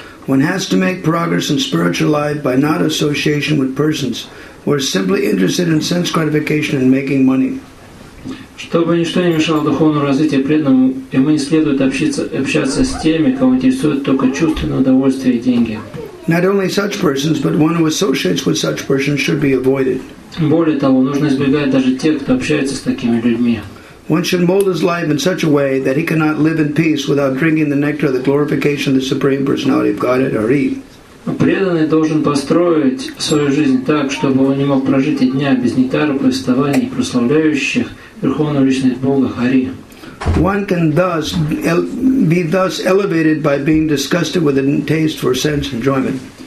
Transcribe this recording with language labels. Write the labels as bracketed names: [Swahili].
[English] One has to make progress in spiritual life by not association with persons who are simply interested in sense gratification and making money. [Russian] Чтобы ничто не мешало духовному развитию преданному, ему не следует общаться с теми, кого интересует только чувственное удовольствие и деньги. [English] Not only such persons, but one who associates with such persons should be avoided. [Russian] Более того, нужно избегать даже тех, кто общается с такими людьми. [English] One should mold his life in such a way that he cannot live in peace without drinking the nectar of the glorification of the Supreme Personality of Godhead, Hari. [Russian] Преданный должен построить свою жизнь так, чтобы он не мог прожить и дня без нектара повествований, прославляющих Верховную Личность Бога, Хари. [English] One can thus be thus elevated by being disgusted with a taste for sense enjoyment.